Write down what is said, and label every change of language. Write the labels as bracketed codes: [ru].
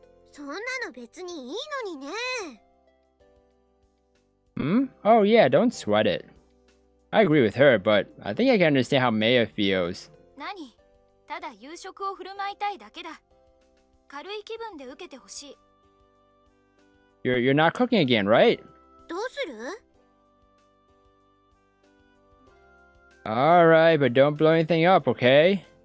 [ja] そんなの別にいいのにね. [en] Hmm? Oh yeah, don't sweat it. I agree with her, but I think I can understand how Maya feels. [ja] 何? ただ夕食を振る舞いたいだけだ.軽い気分で受けてほしい. [en] You're not cooking again, right? [ja] どうする? [en] Alright, but don't blow anything up, okay?